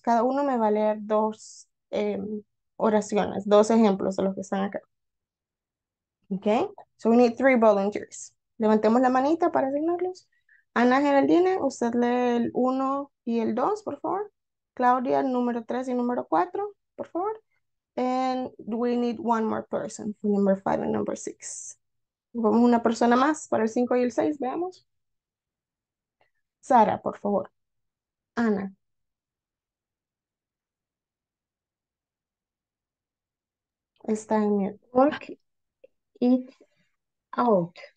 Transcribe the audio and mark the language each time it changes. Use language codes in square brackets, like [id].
[es] Cada uno me va a leer 2 oraciones, 2 ejemplos de los que están acá. [en] Okay, so we need 3 volunteers. [es] Levantemos la manita para asignarlos. Ana Geraldine, usted lee el 1 y el 2, por favor. Claudia, el número 3 y número 4, por favor. [en] And we need one more person for number 5 and number 6. [es] Ocupamos una persona más para el 5 y el 6, veamos. Sara, por favor. Ana. Está en mute. [en] Work it out.